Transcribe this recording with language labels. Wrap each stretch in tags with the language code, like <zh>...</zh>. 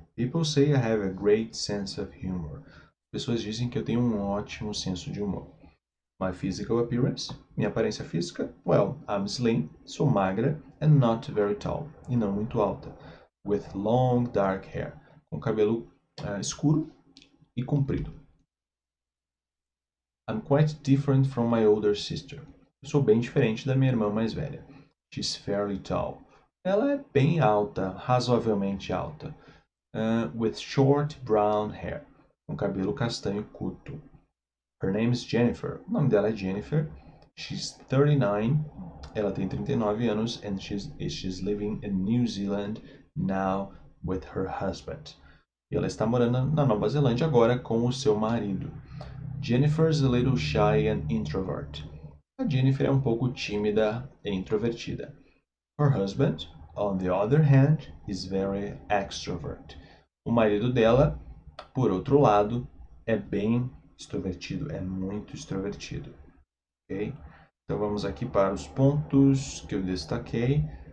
<en>People say I have a great sense of humor.</en> <pt>Pessoas dizem que eu tenho um ótimo senso de humor.</pt> <en>My physical appearance,</en> <pt>minha aparência física,</pt> <en>well, I'm slim,</en> <pt>sou magra,</pt> <en>and not very tall,</en> <pt>e não muito alta,</pt> <en>with long dark hair,</en> <pt>com cabelo escuro e comprido.</pt> <en>I'm quite different from my older sister.</en> <pt>Eu sou bem diferente da minha irmã mais velha.</pt> <en>She's fairly tall.</en> <pt>Ela é bem alta, razoavelmente alta,</pt> <en>with short brown hair,</en> <pt>com cabelo castanho curto.</pt> <en>Her name is Jennifer.</en> <pt>O nome dela é Jennifer.</pt> <en>She's 39.</en> <pt>Ela tem 39 anos.</pt> <en>And she's living in New Zealand now with her husband.</en> <pt>E ela está morando na Nova Zelândia agora com o seu marido.</pt> <en>Jennifer's a little shy and introvert.</en> <pt>A Jennifer é um pouco tímida e introvertida.</pt> <en>Her husband, on the other hand, is very extrovert.</en> <pt>O marido dela, por outro lado, é bem extrovertido, é muito extrovertido, ok? Então vamos aqui para os pontos que eu destaquei.</pt>